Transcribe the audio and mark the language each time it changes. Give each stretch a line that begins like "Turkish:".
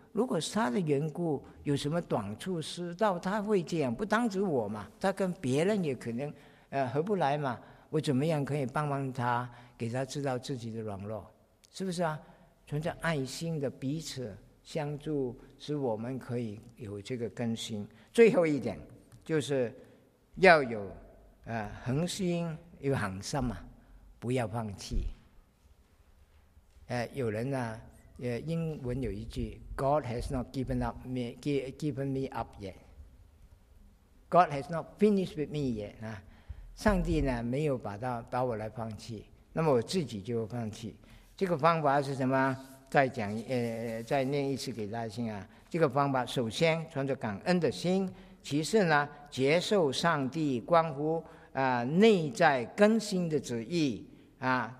Chinese: 如果是他的缘故，有什么短处失道，他会这样，不单止我嘛，他跟别人也可能合不来嘛，我怎么样可以帮帮他，给他知道自己的软弱，是不是啊？存着爱心的彼此相助，使我们可以有这个更新。最后一点就是要有恒心，有恒心嘛，不要放弃。有人呢英文有一句
English: God has not given me up yet. God has not finished with me yet.
Chinese: 上帝呢没有把我来放弃，那么我自己就放弃。这个方法是什么？再念一次给大家听啊。这个方法首先存着感恩的心，其次呢接受上帝关乎内在更新的旨意啊。